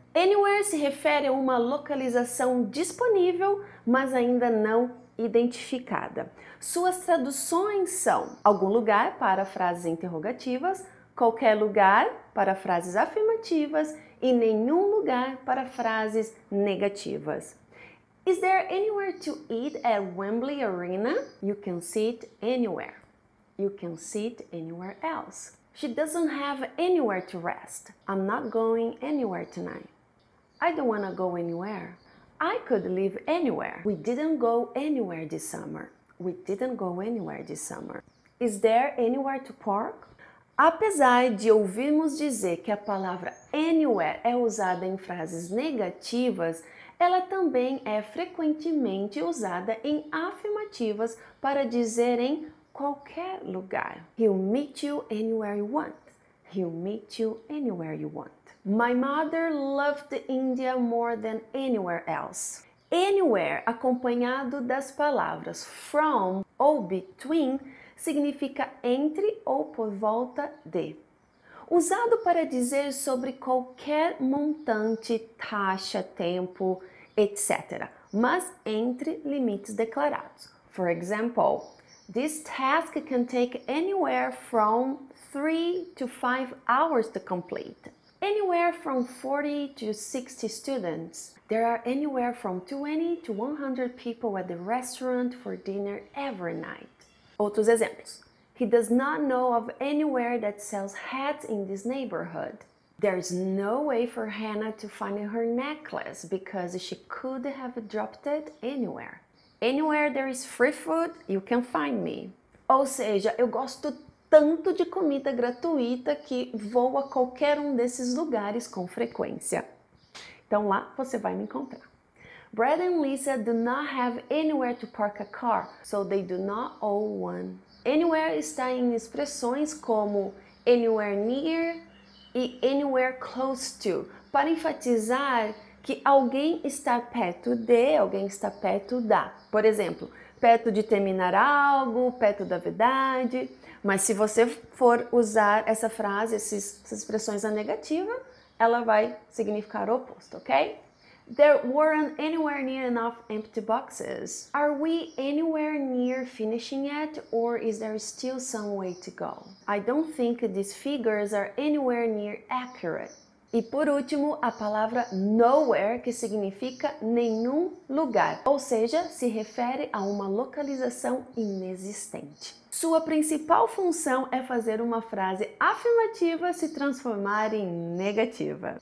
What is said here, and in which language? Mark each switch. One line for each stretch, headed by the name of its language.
Portuguese: Anywhere se refere a uma localização disponível, mas ainda não identificada. Suas traduções são algum lugar para frases interrogativas, qualquer lugar para frases afirmativas e nenhum lugar para frases negativas.
English: Is there anywhere to eat at Wembley Arena? You can sit anywhere. You can sit anywhere else. She doesn't have anywhere to rest. I'm not going anywhere tonight. I don't want to go anywhere. I could live anywhere. We didn't go anywhere this summer. We didn't go anywhere this summer. Is there anywhere to park?
Portuguese: Apesar de ouvirmos dizer que a palavra anywhere é usada em frases negativas, ela também é frequentemente usada em afirmativas para dizer em qualquer lugar.
English: He'll meet you anywhere you want. He'll meet you anywhere you want. My mother loved India more than anywhere else.
Portuguese: Anywhere, acompanhado das palavras from ou between, significa entre ou por volta de. Usado para dizer sobre qualquer montante, taxa, tempo, etc., mas entre limites declarados.
English: For example, this task can take anywhere from 3 to 5 hours to complete. Anywhere from 40 to 60 students. There are anywhere from 20 to 100 people at the restaurant for dinner every night.
Portuguese: Outros exemplos.
English: He does not know of anywhere that sells hats in this neighborhood. There is no way for Hannah to find her necklace because she could have dropped it anywhere. Anywhere there is free food, you can find me.
Portuguese: Ou seja, eu gosto tanto de comida gratuita que vou a qualquer um desses lugares com frequência. Então lá você vai me encontrar.
English: Brad and Lisa do not have anywhere to park a car, so they do not own one.
Portuguese: Anywhere está em expressões como anywhere near e anywhere close to, para enfatizar que alguém está perto de, alguém está perto da. Por exemplo, perto de terminar algo, perto da verdade. Mas se você for usar essa frase, essas expressões na negativa, ela vai significar o oposto, ok?
English: There weren't anywhere near enough empty boxes. Are we anywhere near finishing yet, or is there still some way to go? I don't think these figures are anywhere near accurate.
Portuguese: E por último, a palavra nowhere, que significa nenhum lugar, ou seja, se refere a uma localização inexistente. Sua principal função é fazer uma frase afirmativa se transformar em negativa.